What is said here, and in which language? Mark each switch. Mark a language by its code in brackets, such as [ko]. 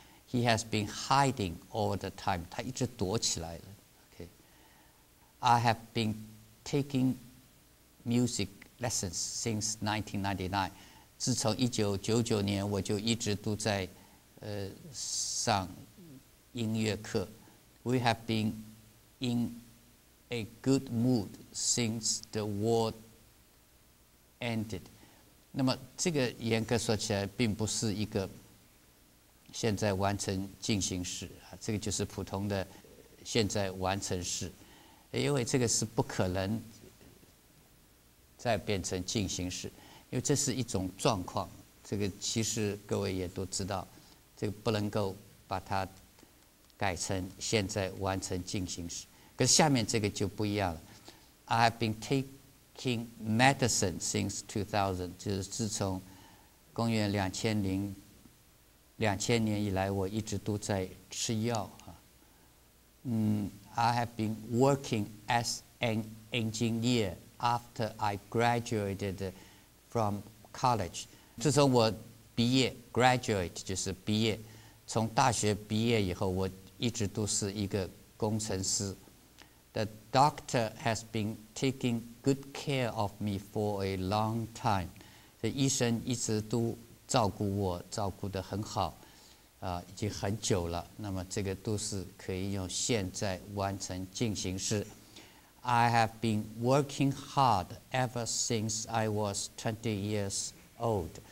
[en] He has been hiding all the time，他一直躲起来了。 I have been taking music lessons since 1999. [zh] 自从1999年我就一直都在上音乐课。 [en] We have been in a good mood since the war ended. [zh] 那么这个严格说起来并不是一个现在完成进行式，这个就是普通的现在完成式。因为这个是不可能再变成进行式，因为这是一种状况，这个其实各位也都知道，这个不能够把它改成现在完成进行式。可是下面这个就不一样了。 I've been taking medicine since 2000，就是自从公元2000年以来我一直都在吃药。 [en] I have been working as an engineer after I graduated [zh] from college. 自从我毕业 graduate 就是毕业，从大学毕业以后，我一直都是一个工程师。 [en] The doctor has been taking good care of me for a long time. [zh] 所以医生一直都照顾我，照顾得很好，已经很久了。那么这个都是可以用现在完成进行式。 [en] I have been working hard ever since I was 20 years old.